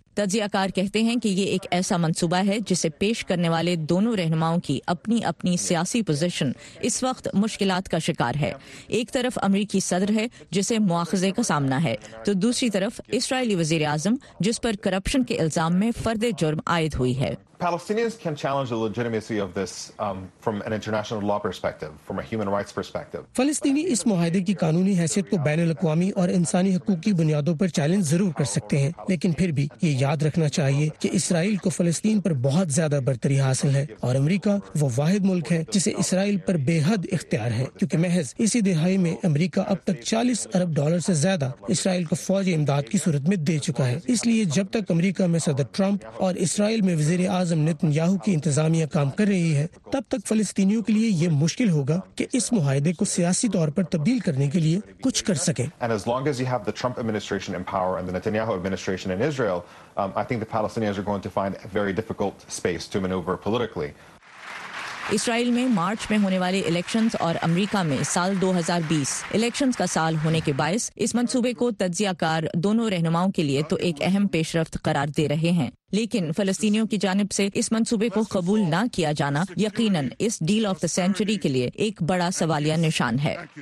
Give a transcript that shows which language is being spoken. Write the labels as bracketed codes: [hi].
[ur] تجزیہ کار کہتے ہیں کہ یہ ایک ایسا منصوبہ ہے جسے پیش کرنے والے دونوں رہنماؤں کی اپنی اپنی سیاسی پوزیشن اس وقت مشکلات کا شکار ہے. ایک طرف امریکی صدر ہے جسے مواخذے کا سامنا ہے، تو دوسری طرف اسرائیلی وزیر اعظم جس پر کرپشن کے الزام میں فرد جرم عائد ہوئی ہے. [en] Palestinians can challenge the legitimacy of this from an international law perspective, from a human rights perspective. [ur] فلسطینی اس معاہدے کی قانونی حیثیت کو بین الاقوامی اور انسانی حقوق کی بنیادوں پر چیلنج ضرور کر سکتے ہیں، لیکن پھر بھی یہ یاد رکھنا چاہیے کہ اسرائیل کو فلسطین پر بہت زیادہ برتری حاصل ہے، اور امریکہ وہ واحد ملک ہے جسے اسرائیل پر بے حد اختیار ہے، کیونکہ محض اسی دہائی میں امریکہ اب تک 40 ارب ڈالر سے زیادہ اسرائیل کو فوج امداد کی صورت میں دے چکا ہے. اس لیے جب تک امریکہ میں صدر ٹرمپ اور اسرائیل میں وزیر اعظم نتن یاہو کی انتظامیہ کام کر رہی ہے، تب تک فلسطینیوں کے لیے یہ مشکل ہوگا کہ اس معاہدے کو سیاسی طور پر تبدیل کرنے کے لیے کچھ کر سکیں. [en] And as long as you have the Trump administration in power and the Netanyahu administration in Israel, I think the Palestinians are going to find a very difficult space to maneuver politically. [ur] اسرائیل میں مارچ میں ہونے والے elections اور امریکہ میں سال 2020 elections کا سال ہونے کے باعث اس منصوبے کو تجزیہ کار دونوں رہنماؤں کے لیے تو ایک اہم پیش رفت قرار دے رہے ہیں، لیکن فلسطینیوں کی جانب سے اس منصوبے کو قبول نہ کیا جانا یقیناً اس ڈیل آف دی سینچری کے لیے ایک بڑا سوالیہ نشان ہے.